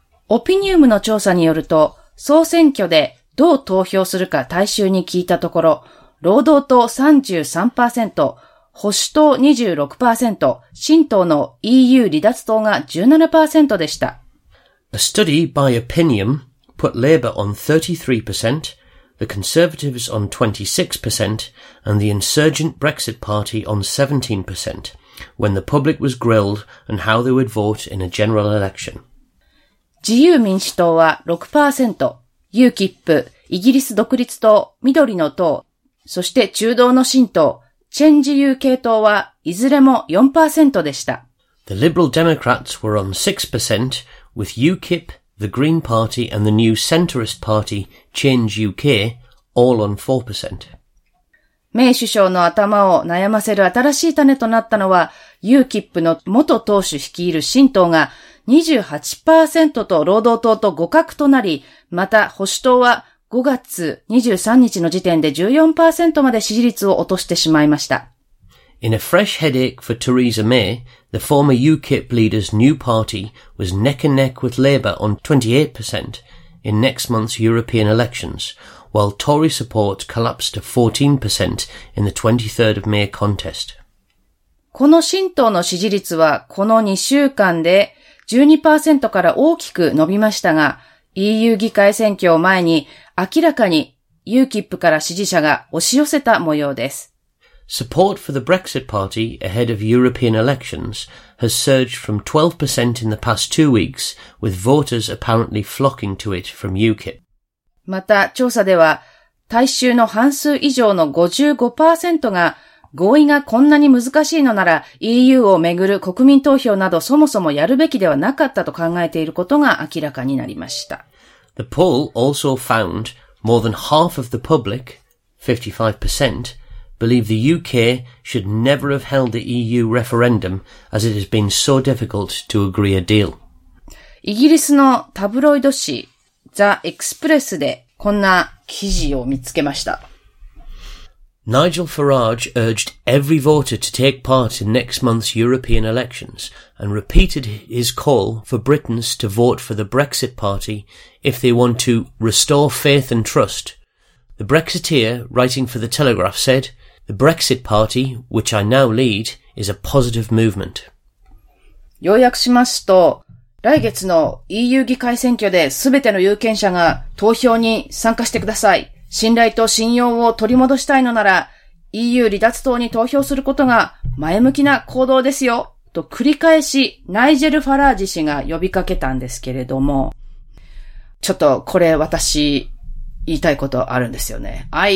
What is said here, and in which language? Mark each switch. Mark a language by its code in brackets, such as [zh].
[ja] オピニウムの調査によると、総選挙でどう投票するか大衆に聞いたところ、労働党 33%、保守党 26%、新党の EU 離脱党が 17% でした。 [en] A study by Opinium put Labour on 33%, the Conservatives on 26%, and the insurgent Brexit Party on 17%, when the public was grilled on how they would vote in a general election. [ja] 自由民主党は 6%、UKIP、イギリス独立党、緑の党、そして中道の新党、チェンジ UK 党はいずれも 4% でした。 [en] The Liberal Democrats were on 6%, with UKIP, the Green Party and the new centrist party, Change UK, all on 4%. [ja] メイ首相の頭を悩ませる新しい種となったのは、UKIP の元党首率いる新党が 28% と労働党と互角となり、また保守党は5月23日の時点で 14% まで支持率を落としてしまいました。 [en] In a fresh headache for Theresa May, the former UKIP leader's new party was neck and neck with Labour on 28% in next month's European elections, while Tory support collapsed to 14% in the 23rd of May contest. [ja] この新党の支持率はこの2週間で 12% から大きく伸びましたが、EU 議会選挙を前に明らかに UKIP から支持者が押し寄せた模様です。 [en] Support for the Brexit Party ahead of European elections has surged from 12% in the past two weeks, with voters apparently flocking to it from UKIP. [ja] また調査では、大衆の半数以上の 55% が合意がこんなに難しいのなら EU をめぐる国民投票などそもそもやるべきではなかったと考えていることが明らかになりました。 [en] The poll also found more than half of the public, 55%, believe the UK should never have held the EU referendum as it has been so difficult to agree a deal. [ja] イギリスのタブロイド紙、ザ・エクスプレスでこんな記事を見つけました。 [en] Nigel Farage urged every voter to take part in next month's European elections and repeated his call for Britons to vote for the Brexit Party if they want to restore faith and trust. The Brexiteer, writing for the Telegraph, said, "The Brexit Party, which I now lead, is a positive movement." [ja] 要約しますと、来月の EU 議会選挙で全ての有権者が投票に参加してください。信頼と信用を取り戻したいのなら、EU 離脱党に投票することが前向きな行動ですよ、と繰り返しナイジェル・ファラージ氏が呼びかけたんですけれども、ちょっとこれ私言いたいことあるんですよね。